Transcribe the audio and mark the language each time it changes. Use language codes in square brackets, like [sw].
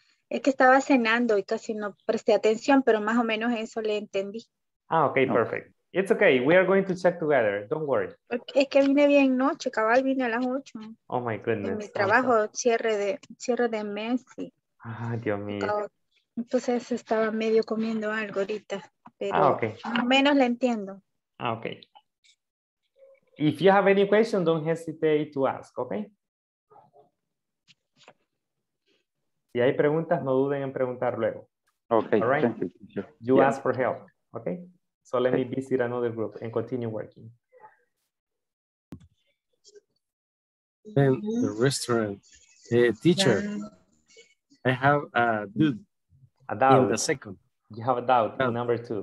[es] Es que estaba cenando y casi no presté atención, pero más o menos eso le entendí. [en] Ah, okay, no. Perfect. It's okay, we are going to check together, don't worry. [es] Es que vine bien noche, cabal, vine a las 8. [en] Oh my goodness. [es] En mi trabajo, cierre de mes. Y... Ah, Dios mío. Entonces estaba medio comiendo algo ahorita. Pero [en] ah, okay. [es] Más o menos la entiendo. [en] Ah, okay. If you have any question, don't hesitate to ask, okay? [es] Si hay preguntas, no duden en preguntar luego. [en] Okay, all right? Thank you. You ask for help, okay? So let me visit another group and continue working. Then the restaurant. Teacher, I have a doubt. A doubt. In the second. You have a doubt, doubt. In number two.